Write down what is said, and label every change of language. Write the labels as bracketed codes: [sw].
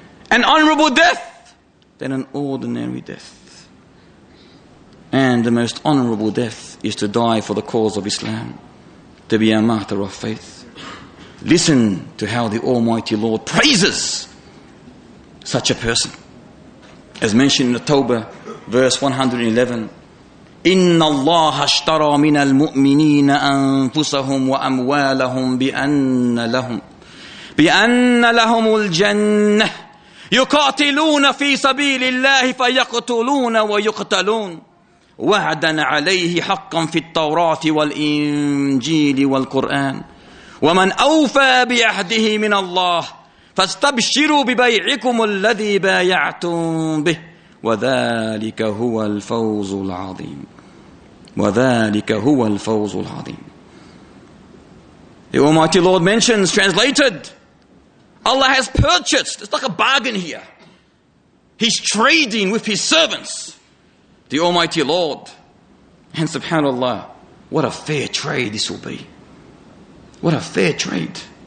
[en] An honorable death than an ordinary death. And the most honorable death is to die for the cause of Islam, to be a martyr of faith. Listen to how the Almighty Lord praises such a person. As mentioned in the Tawbah, verse 111, [ar] إِنَّ اللَّهَ اشْتَرَى مِنَ الْمُؤْمِنِينَ أَنفُسَهُمْ وَأَمْوَالَهُمْ بِأَنَّ لَهُمُ الْجَنَّةِ يُقَاتِلُونَ فِي سَبِيلِ اللَّهِ فَيَقْتُلُونَ وَيُقْتَلُونَ وعدا عليه حقا في التوراة والإنجيل والقرآن ومن أوفى بعهده من الله فاستبشروا ببيعكم الذي بايعتم به وذلك هو الفوز العظيم وذلك هو الفوز العظيم. [en] The Almighty Lord mentions, translated, Allah has purchased, it's like a bargain here. He's trading with his servants. The Almighty Lord, and subhanAllah, what a fair trade this will be. What a fair trade.